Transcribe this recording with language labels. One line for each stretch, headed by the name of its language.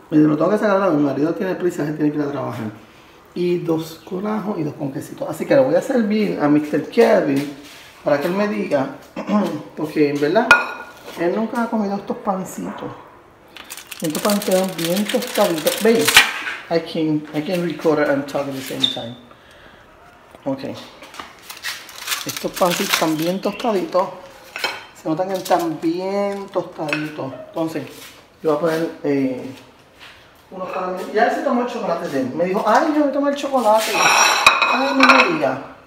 Spanish: Me lo tengo que sacar a mi marido, tiene prisa, se tiene que ir a trabajar. Y 2 con ajo y 2 con quesito. Así que lo voy a servir a Mr. Kevin. Para que él me diga, porque en verdad, él nunca ha comido estos pancitos. Estos pan quedan bien tostaditos.
English: Ve, I can record it and talk at the same time. Ok.
Spanish: Estos pancitos están bien tostaditos. Se notan que están bien tostaditos. Entonces, yo voy a poner unos para mí. Ya él se tomó el chocolate de él. Me dijo, ay, yo voy a tomar el chocolate. Ay, no me diga.